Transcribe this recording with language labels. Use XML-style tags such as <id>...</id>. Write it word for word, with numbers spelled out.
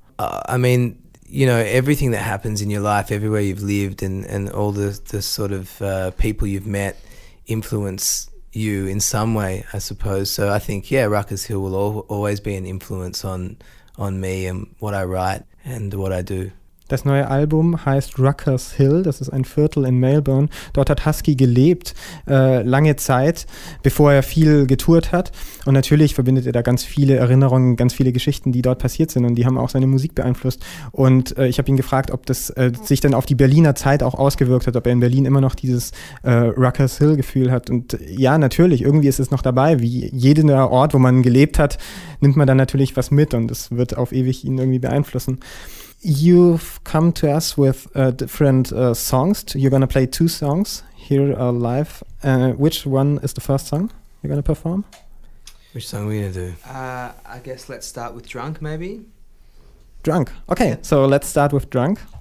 <en>Uh, I mean, you know, everything that happens in your life, everywhere you've lived and, and all the, the sort of uh, people you've met influence you in some way, I suppose. So I think, yeah, Ruckers Hill will al- always be an influence on on me and what I write and what I do.</en> <de>Das neue Album heißt Ruckers Hill, das ist ein Viertel in Melbourne. Dort hat Husky gelebt, äh, lange Zeit, bevor er viel getourt hat. Und natürlich verbindet er da ganz viele Erinnerungen, ganz viele Geschichten, die dort passiert sind. Und die haben auch seine Musik beeinflusst. Und äh, ich habe ihn gefragt, ob das äh, sich dann auf die Berliner Zeit auch ausgewirkt hat, ob er in Berlin immer noch dieses äh, Ruckers Hill-Gefühl hat. Und ja, natürlich, irgendwie ist es noch dabei. Wie jeder Ort, wo man gelebt hat, nimmt man dann natürlich was mit. Und das wird auf ewig ihn irgendwie beeinflussen.</de> <en>You've come to us with uh, different uh, songs. You're going to play two songs here uh, live. Uh, which one is the first song you're going to perform? Which song are we going to do? Uh, I guess let's start with Drunk, maybe? Drunk. Okay, yeah. So let's start with Drunk.</en>